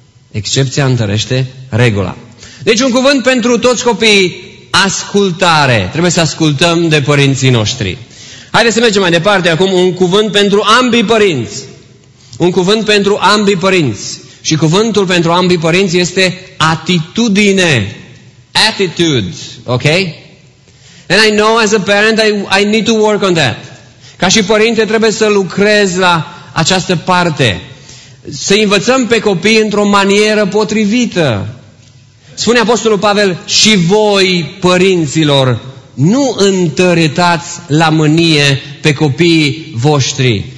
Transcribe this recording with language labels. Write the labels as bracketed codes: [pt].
[ro] Excepția întărește regula. Deci un cuvânt pentru toți copiii, ascultare. Trebuie să ascultăm de părinții noștri. Haideți să mergem mai departe acum, un cuvânt pentru ambii părinți. Un cuvânt pentru ambii părinți. Și cuvântul pentru ambii părinți este atitudine. [en] Attitude, ok? And I know as a parent I need to work on that. [ro] Ca și părinte trebuie să lucrez la această parte. Să învățăm pe copii într-o manieră potrivită. Spune Apostolul Pavel, și voi, părinților, nu întăritați la mânie pe copiii voștri.